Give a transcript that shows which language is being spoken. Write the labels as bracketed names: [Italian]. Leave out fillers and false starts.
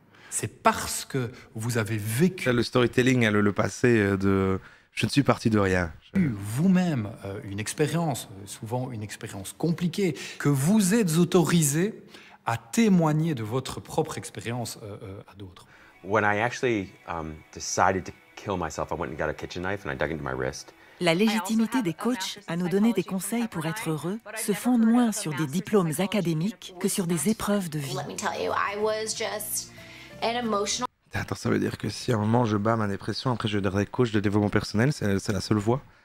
[French] C'est parce que vous avez vécu... Là, le storytelling, le passé de... Je ne suis parti de rien. Vous-même, une expérience, souvent une expérience compliquée, que vous êtes autorisé à témoigner de votre propre expérience à d'autres. [English] When I actually decided to kill myself, I went and got a kitchen knife and I dug into my wrist. [French] La légitimité des coachs à nous donner des conseils pour être heureux se fonde moins sur des diplômes académiques que sur des épreuves de vie. Attends, ça veut dire que si à un moment je bats ma dépression, après je deviendrai coach de développement personnel, c'est la seule voie.